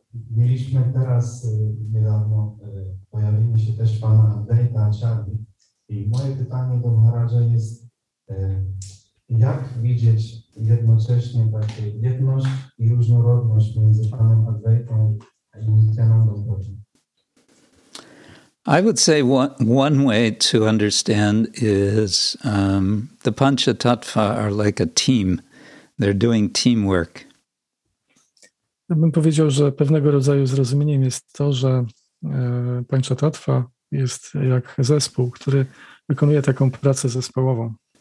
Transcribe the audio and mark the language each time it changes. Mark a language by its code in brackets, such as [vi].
[pl] Mieliśmy teraz niedawno pojawienie się też Pana Advaita Acharya. I moje pytanie do Maharaja jest, jak widzieć jednocześnie takie jedność i różnorodność między Panem Advaitą a Nityanandą Prabhu? [en] I would say one way to understand is the Panchatattva are like a team. They're doing teamwork. [pl] Ja bym powiedział, że pewnego rodzaju zrozumieniem jest to, że Panchatattva jest jak zespół, który wykonuje taką pracę zespołową.